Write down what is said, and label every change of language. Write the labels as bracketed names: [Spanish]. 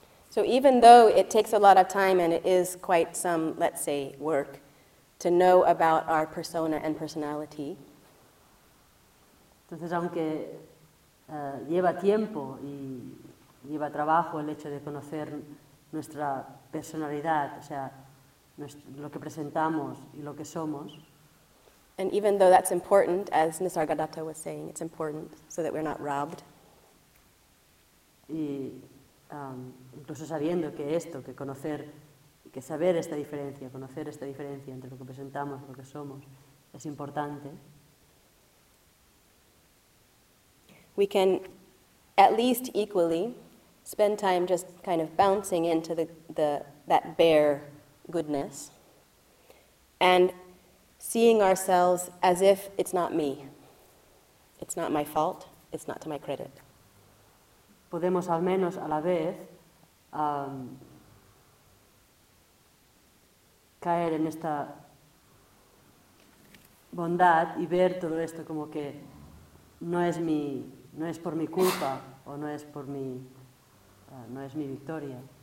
[English] So even though it takes a lot of time and it is quite some, let's say, work to know about our persona and personality. [Spanish] Entonces, aunque lleva tiempo y lleva trabajo el hecho de conocer nuestra personalidad, o sea, lo que presentamos y lo que somos. [English] And even though that's important, as Nisargadatta was saying, it's important so that we're not robbed. [Spanish] Y incluso sabiendo que esto, que conocer, que saber esta diferencia, conocer esta diferencia entre lo que presentamos y lo que somos, es importante. [English] We can at least equally spend time just kind of bouncing into that bare goodness and seeing ourselves as if it's not me. It's not my fault, it's not to my credit. [Spanish] Podemos al menos a la vez caer en esta bondad y ver todo esto como que no es por mi culpa o no es mi victoria.